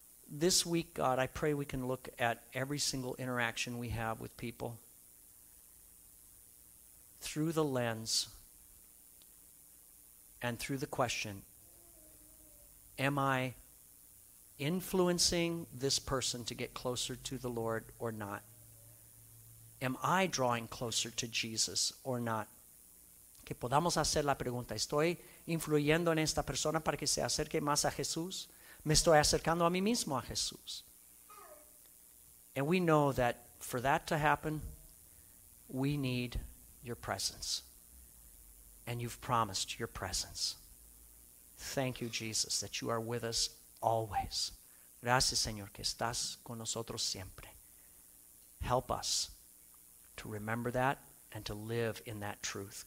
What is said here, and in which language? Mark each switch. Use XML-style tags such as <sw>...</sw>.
<en>This week, God, I pray we can look at every single interaction we have with people through the lens and through the question, am I influencing this person to get closer to the Lord or not? Am I drawing closer to Jesus or not?</en> <es>Que podamos hacer la pregunta. ¿Estoy influyendo en esta persona para que se acerque más a Jesús? ¿Me estoy acercando a mí mismo a Jesús?</es> <en>And we know that for that to happen, we need your presence. And you've promised your presence. Thank you, Jesus, that you are with us always.</en> <es>Gracias, Señor, que estás con nosotros siempre.</es> <en>Help us to remember that and to live in that truth.</en>